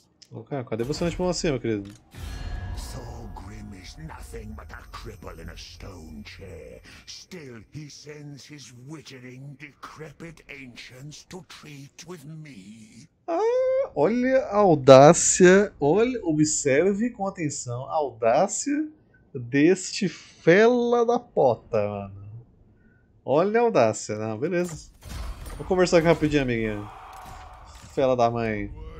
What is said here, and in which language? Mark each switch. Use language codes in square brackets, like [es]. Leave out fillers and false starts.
[pt] Okay, cadê você na espuma acima, querido? [en] So grim is nothing but a cripple in a stone chair. Still, he sends his withering, decrepit ancients to treat with me. [pt] Ah, olha a audácia. Olha, observe com atenção a audácia deste fela da pota, mano. Olha a audácia, não, beleza. Vou conversar aqui rapidinho, amiguinha. Fela da mãe.